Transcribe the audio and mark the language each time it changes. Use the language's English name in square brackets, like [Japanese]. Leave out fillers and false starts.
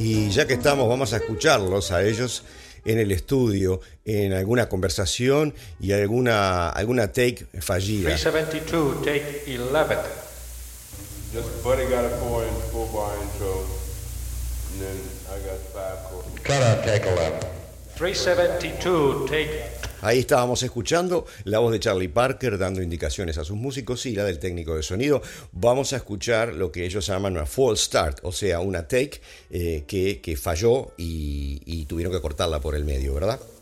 [Spanish] Ya que estamos, vamos a escucharlos a ellos en el estudio, en alguna conversación y alguna take fallida. [English] 372, take 11. Just Buddy got a 4-inch, 4-bar intro, and then I got 5-quarter. Cut out, take 11. 372, take... [Spanish] Ahí estábamos escuchando la voz de Charlie Parker dando indicaciones a sus músicos y la del técnico de sonido. Vamos a escuchar lo que ellos llaman una false start, o sea, una take que falló y tuvieron que cortarla por el medio, ¿verdad?